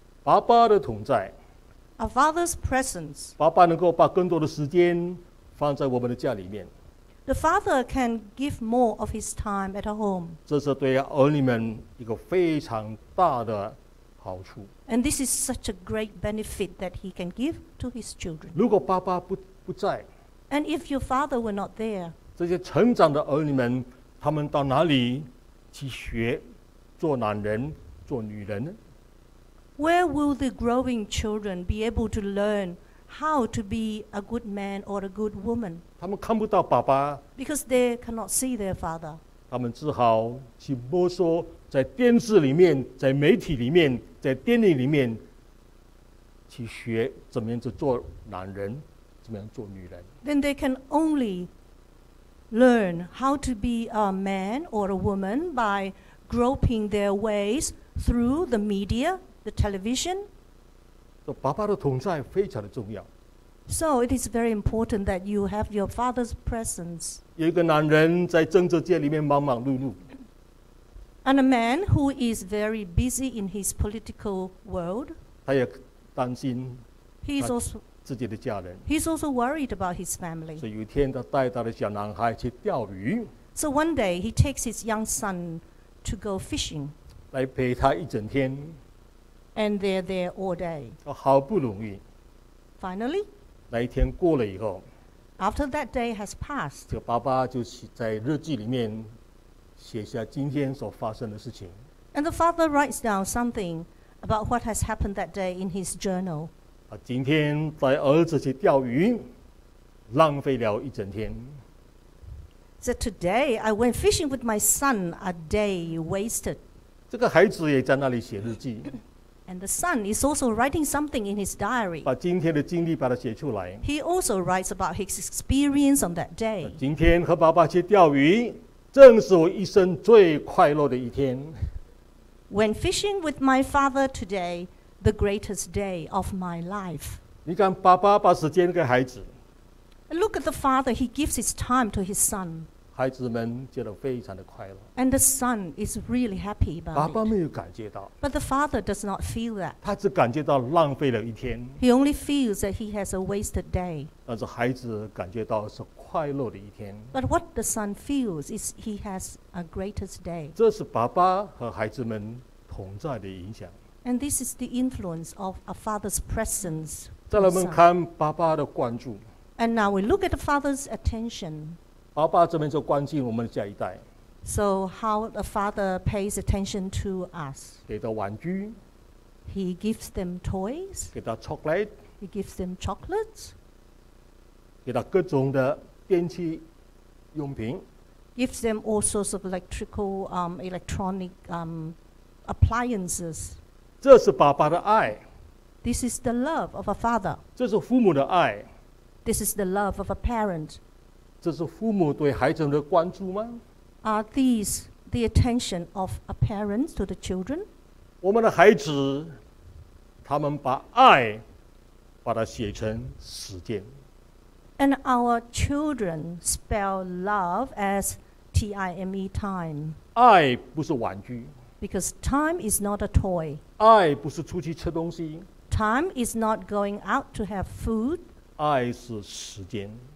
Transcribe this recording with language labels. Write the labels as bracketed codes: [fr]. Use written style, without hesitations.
[zh] 爸爸的同在。 [en] Our Father's presence. [zh] 爸爸能够把更多的时间放在我们的家里面。 [en] The Father can give more of his time at home. [zh] 这是对儿女们一个非常大的好处。 [en] And this is such a great benefit that he can give to his children. [zh] 如果爸爸不在。 [en] And if your father were not there. [zh] 这些成长的儿女们，他们到哪里去学做男人，做女人呢？ [en] Where will the growing children be able to learn how to be a good man or a good woman? [zh] 他们看不到爸爸。 [en] Because they cannot see their father. [zh] 他们只好去摸索，在电视里面，在媒体里面，在电影里面，去学怎么样子做男人，怎么样做女人。 [en] Then they can only learn how to be a man or a woman by groping their ways through the media. The television. [zh] 爸爸的同在非常的重要。 [en] So it is very important that you have your father's presence. [zh] 有一个男人在政治界里面忙忙碌碌。 [en] And a man who is very busy in his political world. [zh] 他也担心。 [en] He's also [zh] 自己的家人。 [en] He's also worried about his family. [zh] 所以有一天，他带他的小男孩去钓鱼。 [en] So one day he takes his young son to go fishing. [zh] 来陪他一整天。 [en] And they're there all day. [zh] 好不容易。 [en] Finally. [zh] 那一天过了以后。 [en] After that day has passed. [zh] 这个爸爸就在日记里面写下今天所发生的事情。 [en] And the father writes down something about what has happened that day in his journal. [zh] 今天带儿子去钓鱼，浪费了一整天。 [en] So today I went fishing with my son, a day wasted. [zh] 这个孩子也在那里写日记。 [en] And the son is also writing something in his diary. [zh] 把今天的经历把它写出来。 [en] He also writes about his experience on that day. [zh] 今天和爸爸去钓鱼，正是我一生最快乐的一天。 [en] When fishing with my father today, the greatest day of my life. [zh] 你看爸爸把时间给孩子。 [en] Look at the father, he gives his time to his son. [zh] 孩子们觉得非常的快乐。 [en] And the son is really happy about it. [zh] 爸爸没有感觉到。 [en] But the father does not feel that. [zh] 他只感觉到浪费了一天。 [en] He only feels that he has a wasted day. [zh] 但是孩子感觉到是快乐的一天。 [en] But what the son feels is he has a greatest day. [zh] 这是爸爸和孩子们同在的影响。 [en] And this is the influence of a father's presence. [zh] 再来我们看爸爸的关注。 [en] And now we look at the father's attention. [zh] 爸爸这边就关心我们的下一代。 [en] So how the father pays attention to us? [zh] 给他玩具。 [en] He gives them toys. [zh] 给他 chocolate. [en] He gives them chocolates. [zh] 给他各种的电器用品。 [en] Gives them all sorts of electrical, electronic, appliances. [zh] 这是爸爸的爱。 [en] This is the love of a father. [zh] 这是父母的爱。 [en] This is the love of a parent. [zh] 这是父母对孩子的关注吗？ [en] Are these the attention of a parent to the children? [zh] 我们的孩子，他们把爱把它写成时间。 [en] And our children spell love as T-I-M-E time. [zh] 爱不是玩具。 [en] Because time is not a toy. [zh] 爱不是出去吃东西。 [en] Time is not going out to have food. [zh] 爱是时间。